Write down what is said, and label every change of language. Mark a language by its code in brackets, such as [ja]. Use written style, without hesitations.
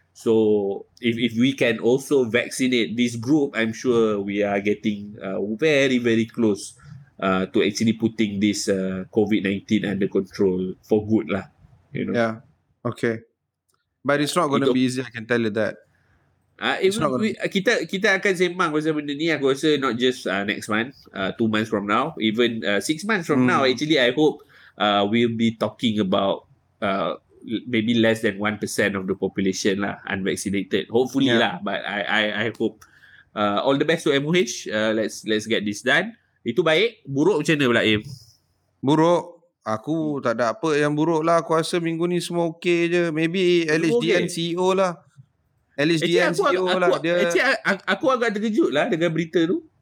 [en] So if we can also vaccinate this group, I'm sure we are getting very, very close to actually putting this COVID-19 under control for good lah. You know? Yeah, okay. But it's not going to be easy, I can tell you that. [ms] Kita akan sembang pasal benda ni. Aku rasa [en] not just next month, 2 months from now, even 6 months from now. Actually, I hope we'll be talking about maybe less than 1% of the population lah unvaccinated. Hopefully lah, but I hope all the best to MOH. Let's get this done. [ms] Itu baik. Buruk macam mana pula, Im? Buruk. Aku tak ada apa yang buruk lah. Aku rasa minggu ni semua okay je. [en] Maybe LHDN CEO lah. LHDN CEO lah. [ms] Aku agak terkejut lah dengan berita tu.